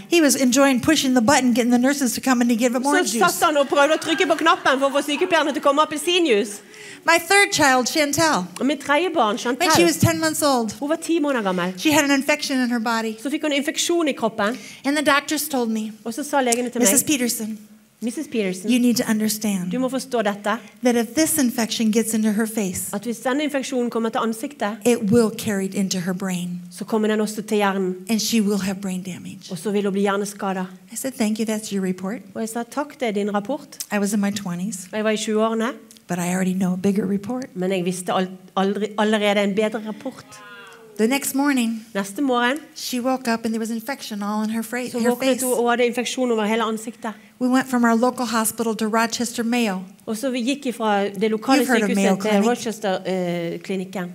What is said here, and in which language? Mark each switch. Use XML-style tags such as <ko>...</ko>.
<en>he was enjoying pushing the button, getting the nurses to come in to give him orange juice.</en> <no>Så satt han og prøvde å trykke på knappen for å få sykepleierne til å komme opp i sin juice.</no> <en>My third child, Chantel.</en> <no>Mitt tredje barn, Chantel.</no> <en>When she was 10 months old.</en> <no>Hun var 10 måneder gammel.</no> <en>She had an infection in her body.</en> <no>Så fikk hun infeksjon I kroppen.</no> <en>And the doctors told me.</en> <no>Og så sa legene til meg.</no> <en>Mrs. Peterson.</en> <no>Mrs. Peterson.</no> <en>You need to understand.</en> <no>Du må forstå dette.</no> <en>That if this infection gets into her face.</en> <no>At hvis denne infeksjonen kommer til ansiktet.</no> <en>It will carry it into her brain.</en> <no>Så kommer den også til hjernen.</no> <en>And she will have brain damage.</en> <no>Og så vil hun bli hjerneskadet.</no> <en>I said, thank you, that's your report.</en> <no>Og jeg sa, takk, det din rapport.</no> <en>I was in my 20s.</en> <no>Jeg var I 20-årene.</no> <en>But I already know a bigger report.</en> <no>Men jeg visste allerede en bedre rapport.</no> <en>The next morning,</en> <no>neste morgen,</no> <en>she woke up and there was infection all in her face.</en> <no>Så våknet hun og hadde infeksjon over hele ansiktet.</no> <en>We went from our local hospital to Rochester Mayo.</en> <no>Og så vi gikk fra det lokale sykehuset til Rochester klinikken.</no>